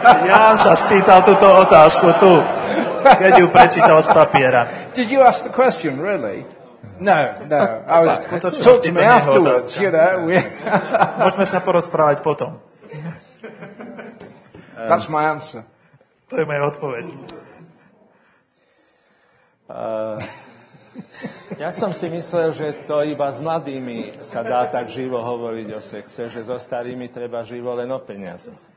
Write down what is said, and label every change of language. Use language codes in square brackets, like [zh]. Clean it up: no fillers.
[sk] Ja sa spýtal túto otázku tu, keď ju prečítal z papiera. [en] Did you ask the question, really? No. I was talking to me afterwards, you know. [sk] Môžeme sa porozprávať potom. [en] That's my answer. [sk] To je moja odpoveď. Ja som si myslel, že to iba s mladými sa dá tak živo hovoriť o sexe, že so starými treba živo len o peniaze.